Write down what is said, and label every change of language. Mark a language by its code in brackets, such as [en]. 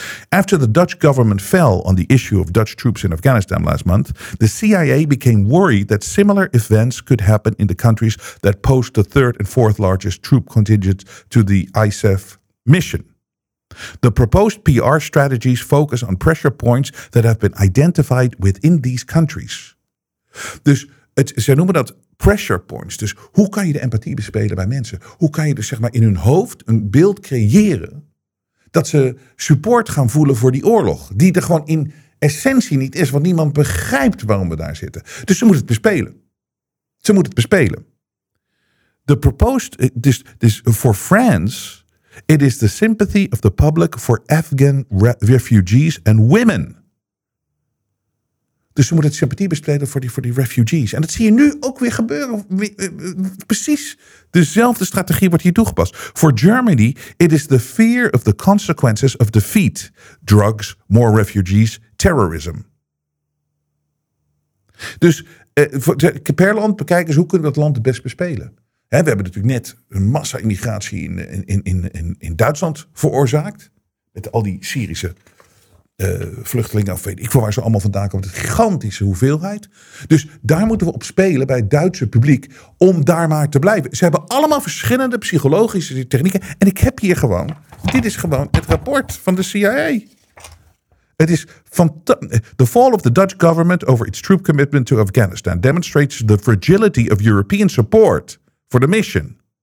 [en] After the Dutch government fell on the issue of Dutch troops in Afghanistan last month, the CIA became worried that similar events could happen in the countries that post the third and fourth largest troop contingent to the ISAF mission. The proposed PR strategies focus on pressure points that have been identified within these countries. Dus [nl] Zij noemen dat pressure points. Dus hoe kan je de empathie bespelen bij mensen? Hoe kan je dus zeg maar in hun hoofd een beeld creëren dat ze support gaan voelen voor die oorlog? Die er gewoon in essentie niet is, want niemand begrijpt waarom we daar zitten. Dus ze moeten het bespelen. Ze moeten het bespelen. [en] The proposed, this for France, it is the sympathy of the public for Afghan refugees and women. [nl] Dus ze moeten het sympathie bespelen voor die refugees. En dat zie je nu ook weer gebeuren. Precies dezelfde strategie wordt hier toegepast. [en] For Germany, it is the fear of the consequences of defeat. Drugs, more refugees, terrorism. [nl] Dus Perland, bekijk eens hoe kunnen we dat land het best bespelen. He, we hebben natuurlijk net een massa-immigratie in Duitsland veroorzaakt. Met al die Syrische vluchtelingen. Of weet ik waar ze allemaal vandaan komen. Een gigantische hoeveelheid. Dus daar moeten we op spelen bij het Duitse publiek. Om daar maar te blijven. Ze hebben allemaal verschillende psychologische technieken. En ik heb hier gewoon. Dit is gewoon het rapport van de CIA. Het is [en] The fall of the Dutch government over its troop commitment to Afghanistan demonstrates the fragility of European support for the mission.